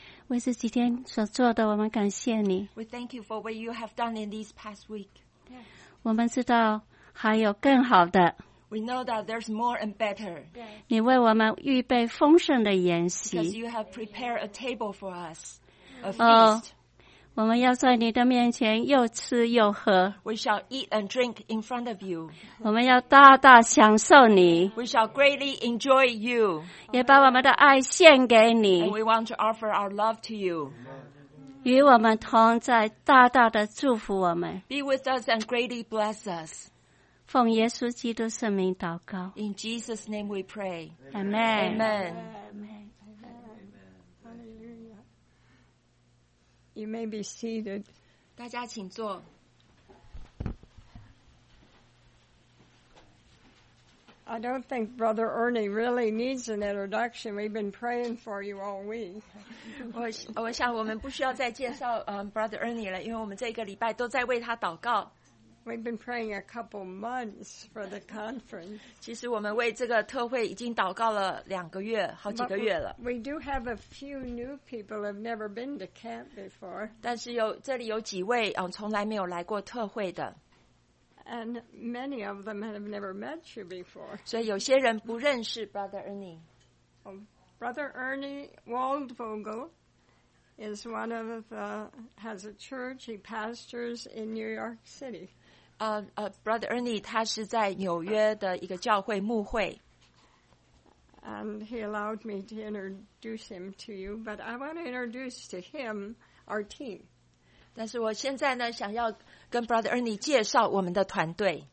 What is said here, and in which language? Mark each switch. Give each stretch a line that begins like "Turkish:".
Chinese: 为这几天所做的，我们感谢你。
English: We thank you for what you have done in this past week.
Chinese: 我们知道还有更好的。
English: We know that there's more and better.
Chinese: 你为我们预备丰盛的筵席。
English: Because you have prepared a table for us, a feast.
Chinese: 我们要在你的面前又吃又喝。
English: We shall eat and drink in front of you.
Chinese: 我们要大大享受你。
English: We shall greatly enjoy you.
Chinese: 也把我们的爱献给你。
English: And we want to offer our love to you.
Chinese: 与我们同在，大大的祝福我们。
English: Be with us and greatly bless us.
Chinese: 奉耶稣基督圣名祷告。
English: In Jesus' name we pray. Amen. Amen. You may be seated.
Chinese: 大家请坐。
English: I don't think Brother Ernie really needs an introduction. We've been praying for you all week.
Chinese: 我想我们不需要再介绍Brother Ernie 了，因为我们这个礼拜都在为他祷告。
English: We've been praying a couple months for the conference.
Chinese: 其实我们为这个特会已经祷告了两个月，好几个月了。
English: But we do have a few new people who've never been to camp before.
Chinese: 但是有这里有几位从来没有来过特会的。
English: And many of them have never met you before.
Chinese: 所以有些人不认识 Brother Ernie.
English: Brother Ernie Waldvogel is one of the has a church. He pastors in New York City.
Chinese: Brother Ernie, 他是在纽约的一个教会牧会。
English: And he allowed me to introduce him to you, but I want to introduce to him our team.
Chinese: 但是我现在呢，想要跟 Brother Ernie 介绍我们的团队。